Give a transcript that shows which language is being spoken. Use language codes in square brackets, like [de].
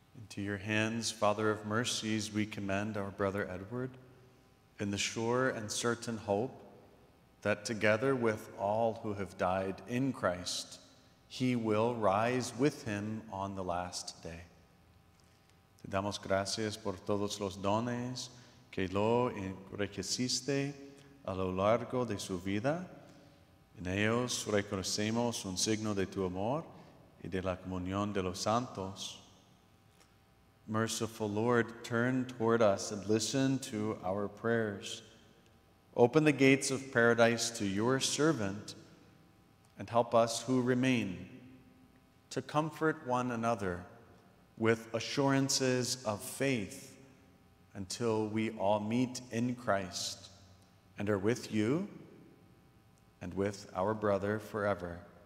[en] To your hands, Father of mercies, we commend our brother Edward in the sure and certain hope that together with all who have died in Christ, he will rise with him on the last day. [es] Te damos gracias por todos los dones que lo enriqueciste a lo largo de su vida. En ellos reconocemos un signo de tu amor y de la comunión de los santos. [en] Merciful Lord, turn toward us and listen to our prayers. Open the gates of paradise to your servant and help us who remain to comfort one another with assurances of faith until we all meet in Christ and are with you and with our brother forever.